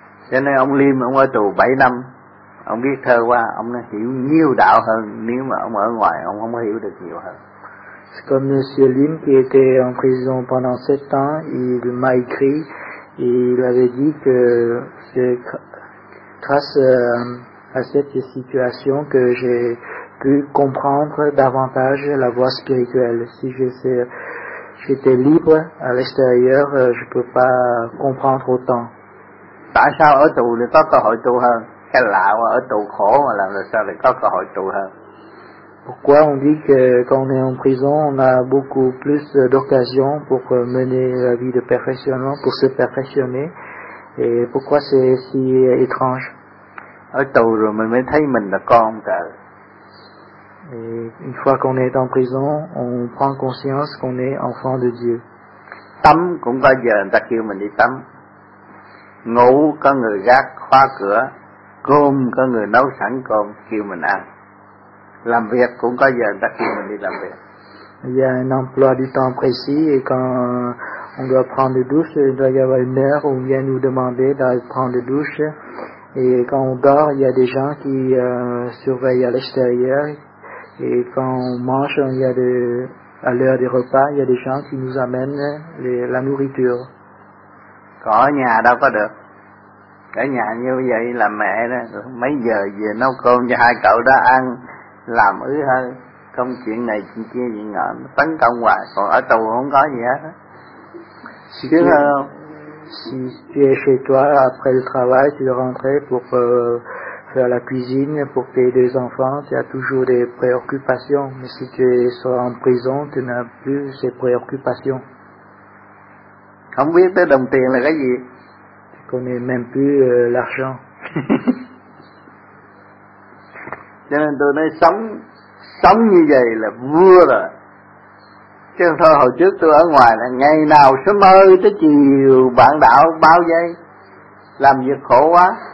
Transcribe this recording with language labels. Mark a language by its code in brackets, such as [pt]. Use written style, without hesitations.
[vi] Cho nên ông Lim, ông ở tù 7 năm, ông viết thơ qua, ông đã hiểu nhiều đạo hơn, nếu mà ông ở ngoài, ông không hiểu được nhiều hơn. [fr] C'est comme Monsieur Lim qui était en prison pendant 7 ans, il m'a écrit, et il avait dit que c'est grâce à cette situation que j'ai pu comprendre davantage la voie spirituelle. Si j'étais libre à l'extérieur, je ne peux pas comprendre autant. [vi] Tại sao ở tù thì có cơ hội tu hơn? Cái lạ là ở tù khổ mà làm sao lại có cơ hội tu hơn? [fr] Pourquoi on dit que quand on est en prison, on a beaucoup plus d'occasions pour mener la vie de perfectionnement, pour se perfectionner? Et pourquoi c'est si étrange? [vi] Ở tù rồi mình mới thấy mình là con trời. [fr] Et une fois qu'on est en prison, on prend conscience qu'on est enfant de Dieu. [vi] Tâm cũng có giờ người ta kêu mình đi tắm. Ngủ có người gác khóa cửa, cơm có người nấu sẵn cơm kêu mình ăn. Làm việc cũng có giờ người ta kêu mình đi làm việc. [fr] Il y a un emploi du temps précis et quand on doit prendre douche, il doit y avoir une heure où on vient nous demander d'aller prendre douche. Et quand on dort, il y a des gens qui surveillent à l'extérieur. Et quand on mange, il y a à l'heure des repas, il y a des gens qui nous amènent la nourriture. [vi] Có ở nhà đâu có được. Cả nhà như vậy là mẹ đó, mấy giờ về nấu cơm cho hai cậu đó ăn, làm ứ hơi, công chuyện này, chuyện kia, chuyện nọ, tấn công hoài, còn ở tù không có gì hết. Chứ không? [fr] Si tu es chez toi, après le travail, tu es rentré pour faire la cuisine pour tes deux enfants, tu as toujours des préoccupations. Mais si tu es en prison, tu n'as plus ces préoccupations. [vi] Không biết tới đồng tiền là cái gì. [fr] Tu connais même plus l'argent. [vi] Cho nên tôi nói sống như vậy là vừa rồi. Chứ thôi hồi trước tôi ở ngoài là ngày nào sớm ơi tới chiều bạn đạo bao giây. Làm việc khổ quá.